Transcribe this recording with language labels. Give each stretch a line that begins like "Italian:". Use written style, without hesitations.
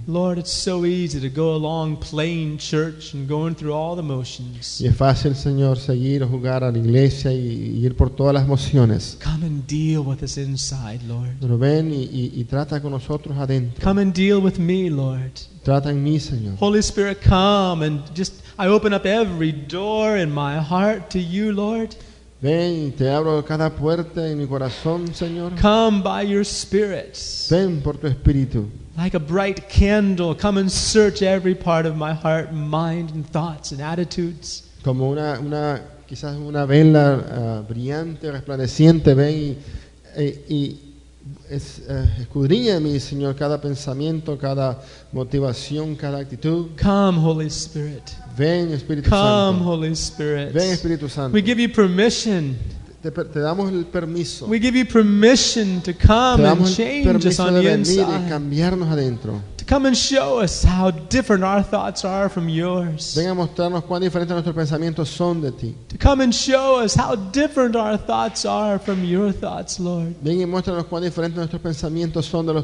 English: Lord, it's so easy to go along playing church and going through all the motions.
Spanish: Y es fácil, Señor, seguir o jugar a la iglesia y ir por todas las emociones.
English: Come and deal with us inside, Lord.
Spanish: Pero ven y trata con nosotros adentro.
English: Come and deal with me, Lord.
Spanish: Trata en mí, Señor.
English: Holy Spirit, come and just I open up every door in my heart to you, Lord.
Spanish: Ven, te abro cada puerta en mi corazón, Señor.
English: Come by your Spirit.
Spanish: Ven por tu espíritu.
English: Like a bright candle, come and search every part of my heart, mind, and thoughts and attitudes.
Spanish: Como una quizás una vela brillante, resplandeciente, ven y escudriña mi Señor cada pensamiento, cada motivación, cada actitud.
English: Come, Holy Spirit.
Spanish: Ven, Espíritu
English: Come,
Spanish: Santo.
English: Holy Spirit.
Spanish: Ven, Espíritu Santo.
English: We give you permission.
Spanish: Te damos el permiso.
English: We give you permission to come and change us on the inside.
Spanish: Y cambiarnos adentro.
English: To come and show us how different our thoughts are from yours.
Spanish: Ven a mostrarnos cuán diferentes nuestros pensamientos son de ti.
English: To come and show us how different our thoughts are from your thoughts, Lord.
Spanish: Ven y muéstranos cuán diferentes nuestros pensamientos son de los